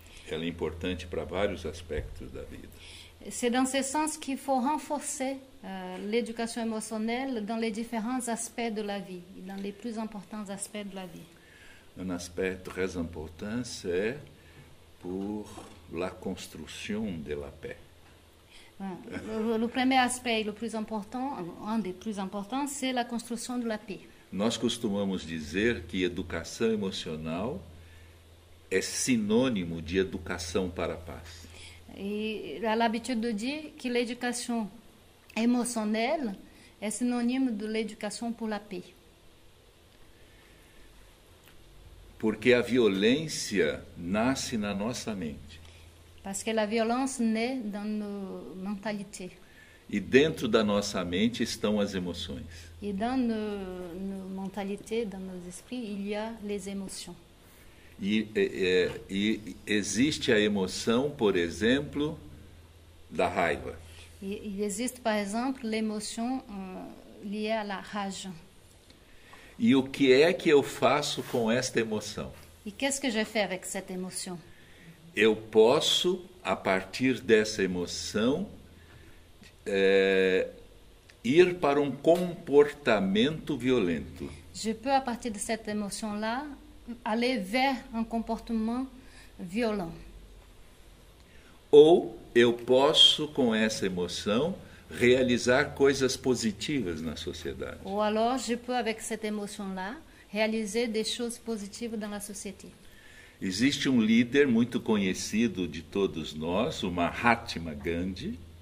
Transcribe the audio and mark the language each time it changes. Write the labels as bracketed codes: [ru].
[pt] Ela é importante para vários aspectos da vida. [fr] C'est dans ce sens qu'il faut renforcer l'éducation émotionnelle dans les différents aspects de la vie, dans les plus importants aspects de la vie. Un aspect très important, c'est pour la construction de la paix. Le premier aspect, le plus important, un des plus importants, c'est la construction de la paix. [pt] Nós costumamos dizer que educação emocional é sinônimo de educação para a paz. [fr] Et il a l'habitude de dire que l'éducation émotionnelle est synonyme de l'éducation pour la paix. [pt] Porque a violência nasce na nossa mente. [fr] Parce que la violence naît dans nos mentalités. [pt] E dentro da nossa mente estão as emoções. [fr] Et dans nos mentalités, dans nos esprits, il y a les émotions. [pt] E existe a emoção, por exemplo, da raiva. [fr] Il existe, par exemple, l'émotion liée à la rage. [pt] E o que é que eu faço com esta emoção? E [fr] qu'est-ce que je fais avec cette émotion? [pt] Eu posso, a partir dessa emoção, ir para comportamento violento. [fr] Je peux, à partir de cette émotion-là, aller vers comportement violent. [pt] Ou eu posso, com essa emoção, realizar coisas positivas na sociedade. [fr] Ou alors, je peux, avec cette émotion-là, [pt] realizar [fr] des choses positives dans la société. [pt] Existe líder muito conhecido de todos nós, o Mahatma Gandhi.